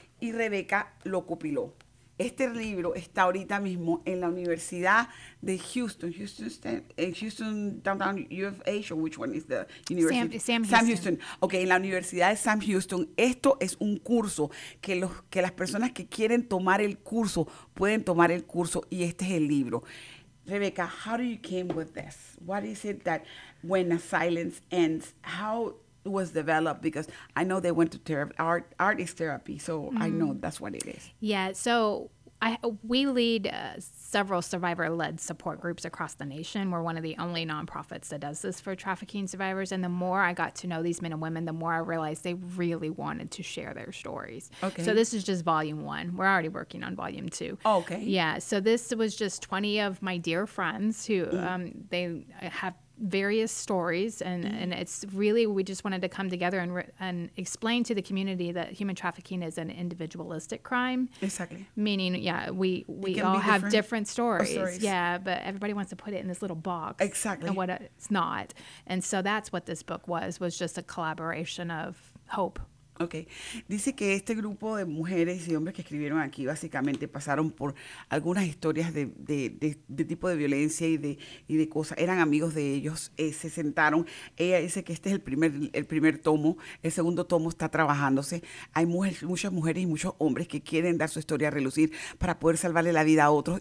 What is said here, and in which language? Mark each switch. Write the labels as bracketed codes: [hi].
[es] Y Rebecca lo compiló. Este libro está ahorita mismo en la Universidad de Houston, UFH, [en] or which one is the university? Sam Houston. [es] Ok, en la Universidad de Sam Houston. Esto es un curso que las personas que quieren tomar el curso pueden tomar el curso, y este es el libro. [en] Rebecca, how do you came with this? What is it that when a silence ends, how was developed? Because I know they went to therapy. Art is therapy, so mm-hmm. I know that's what it is. Yeah, so we lead several survivor-led support groups across the nation. We're one of the only nonprofits that does this for trafficking survivors. And the more I got to know these men and women, the more I realized they really wanted to share their stories. Okay. So this is just volume one. We're already working on volume two. Okay. Yeah, so this was just 20 of my dear friends who they have various stories, and it's really, we just wanted to come together and explain to the community that human trafficking is an individualistic crime. Exactly. Meaning, yeah, we all have different stories. Yeah, but everybody wants to put it in this little box. Exactly. And what it's not. And so that's what this book was just a collaboration of hope. Okay. [es] Dice que este grupo de mujeres y hombres que escribieron aquí básicamente pasaron por algunas historias de tipo de violencia y de cosas. Eran amigos de ellos, se sentaron. Ella dice que este es el primer tomo. El segundo tomo está trabajándose. Hay muchas mujeres y muchos hombres que quieren dar su historia a relucir para poder salvarle la vida a otros.